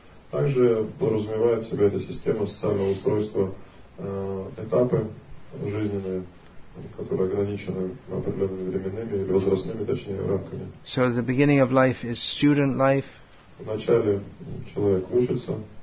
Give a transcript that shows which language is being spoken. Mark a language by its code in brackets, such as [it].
[ru] Также подразумевает в себе эта система социального устройства этапы жизненные, которые ограничены определенными временными или возрастными, точнее, рамками. [en] So the beginning of life is student life. [ru] Вначале человек учится.